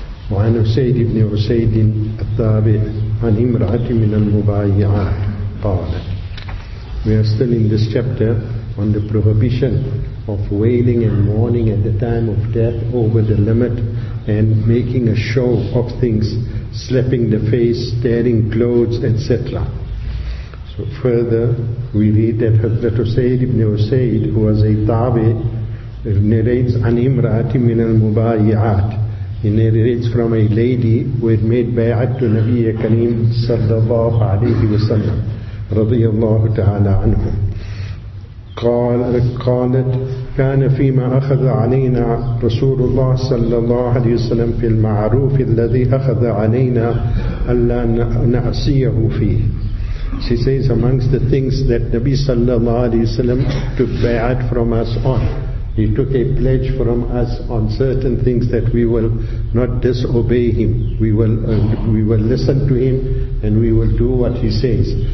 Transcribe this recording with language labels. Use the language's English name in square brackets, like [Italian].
[Arabic] وعن سيد بن عسيد الثابع عن امرأة من المبايعة قال. [English] We are still in this chapter on the prohibition of wailing and mourning at the time of death over the limit and making a show of things, slapping the face, tearing clothes, etc. So further, we read that Hazrat Usayd ibn Usayd, who was a tabi, narrates an imraati min al mubayyat. He narrates from a lady who had made bayat to Nabiyya Kareem sallallahu alayhi wa sallam radiyallahu ta'ala anhu. [Arabic] قالت كان فيما أخذ علينا رسول الله صلى الله عليه وسلم في المعروف الذي أخذ علينا ألا نعصيه فيه. [English] She says, amongst the things that Nabi sallallahu alayhi wa sallam took bayat from us on, he took a pledge from us on certain things that we will not disobey him. We will listen to him and we will do what he says.